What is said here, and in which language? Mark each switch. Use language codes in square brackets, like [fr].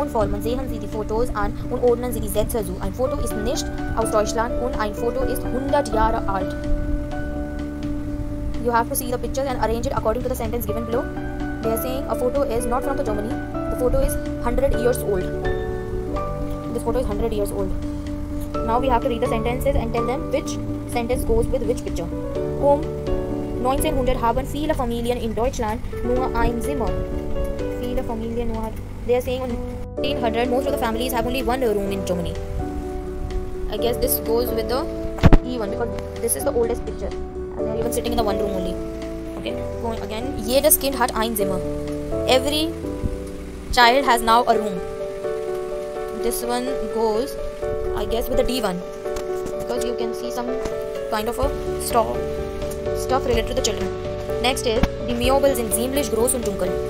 [de] Man sehen Sie die Fotos an und ordnen Sie die Sätze zu. Ein Foto ist nicht aus Deutschland und ein Foto ist 100 Jahre alt. [en] You have to see the pictures and arrange it according to the sentence given below. They are saying a photo is not from the Germany. The photo is 100 years old. This photo is 100 years old. Now we have to read the sentences and tell them which sentence goes with which picture. [de] Um 1900 haben viele Familien in Deutschland nur ein Zimmer. Viele Familien nur. [en] They are saying 1800, most of the families have only one room in Germany. I guess this goes with the E1 because this is the oldest picture. And they are even sitting in the one room only. Okay, going again. [de] Jedes Kind hat ein Zimmer. [en] Every child has now a room. This one goes, I guess, with the D1. Because you can see some kind of a stuff related to the children. Next is, [de] die Möbel sind ziemlich groß und dunkel.